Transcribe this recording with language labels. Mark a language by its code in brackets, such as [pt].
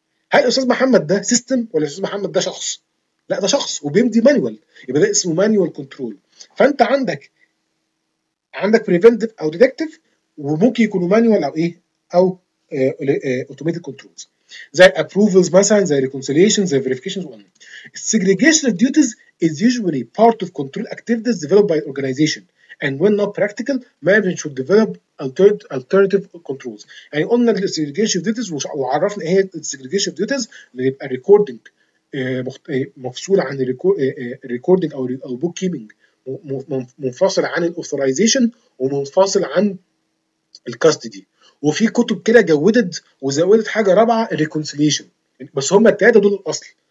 [ar] هل استاذ محمد ده سيستم ولا استاذ محمد ده شخص؟ لا ده شخص وبيمضي مانوال، يبقى ده اسمه مانوال كنترول. فانت عندك بريفنتيف او ديتكتيف، وممكن يكونوا مانوال او ايه او اوتوماتيك كنترولز زي الابروفلز مثلا، زي الريكونسيليشنز، زي فيريفيكيشنز. [en] السيجريجيشن of duties is usually part of control activities developed by an organization and when not practical management should develop alternative controls. [ar] يعني قلنا segregation of duties وعرفنا ايه segregation of duties، اللي يبقى recording مفصول عن recording او bookkeeping، منفصل عن authorization ومنفصل عن custody. وفي كتب كده جودت وزودت حاجه رابعه reconciliation، بس هما التلاته دول الاصل.